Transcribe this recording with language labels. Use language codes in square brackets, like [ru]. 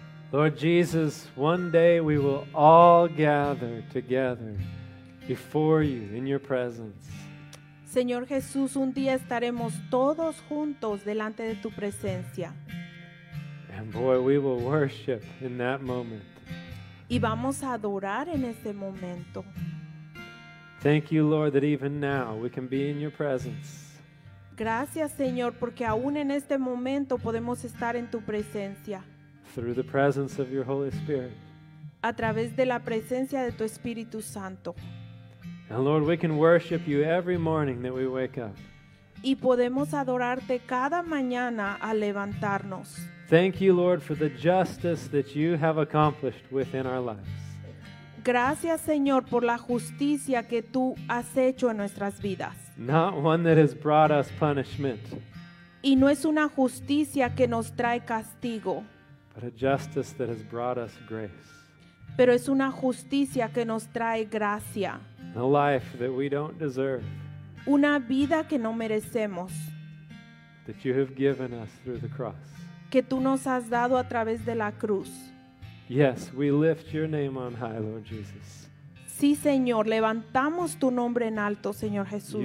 [en] Lord Jesus, one day we will all gather together before you in your presence. [es] Señor Jesús, un día estaremos todos juntos delante de tu presencia. [en] And boy, we will worship in that moment. [es] Y vamos a adorar en ese momento. [en] Thank you, Lord, that even now we can be in your presence. [es] Gracias, Señor, porque aún en este momento podemos estar en tu presencia. [en] Through the presence of your Holy Spirit. [es] A través de la presencia de tu Espíritu Santo. [en] And Lord, we can worship you every morning that we wake up. [es] Y podemos adorarte cada mañana al levantarnos. [en] Thank you, Lord, for the justice that you have accomplished within our lives. [es] Gracias, Señor, por la justicia que tú has hecho en nuestras vidas. [en] Not one that has brought us punishment. [es] Y no es una justicia que nos trae castigo. [en] But a justice that has brought us grace. [es] Pero es una justicia que nos trae gracia. [en] A life that we don't deserve. [es] Una vida que no merecemos. [en] That you have given us through the cross. [es] Que tú nos has dado a través de la cruz. [en] Yes, we lift your name on high, Lord Jesus. [es] Sí, Señor, levantamos tu nombre en alto, Señor Jesús.